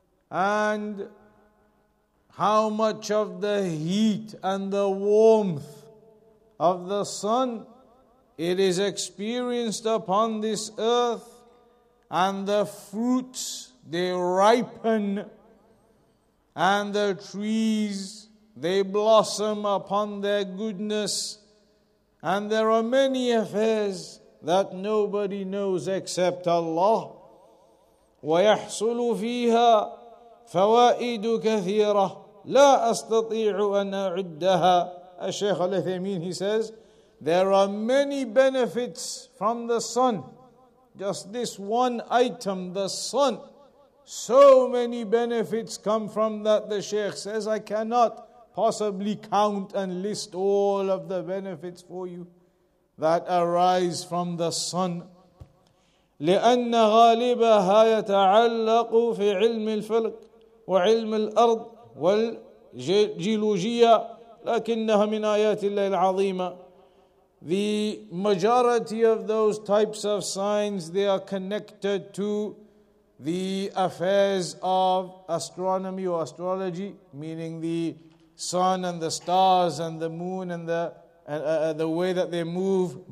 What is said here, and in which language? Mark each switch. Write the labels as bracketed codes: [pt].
[en] And how much of the heat and the warmth of the sun it is experienced upon this earth, and the fruits, they ripen, and the trees, they blossom upon their goodness. And there are many affairs that nobody knows except Allah. [ar] وَيَحْصُلُ فِيهَا فوائد كثيرة لا أستطيع أن أعدها. [en] الشيخ الأثيمين, he says, there are many benefits from the sun. Just this one item, the sun. So many benefits come from that. The Shaykh says, I cannot possibly count and list all of the benefits for you that arise from the sun. [ar] لأن غالبها يتعلق في علم الفلك وعلم الأرض والجيولوجيا لكنها من آيات الله العظيمة. [en] The majority of those types of signs, they are connected to the affairs of astronomy or astrology, meaning the sun and the stars and the moon and the way that they move.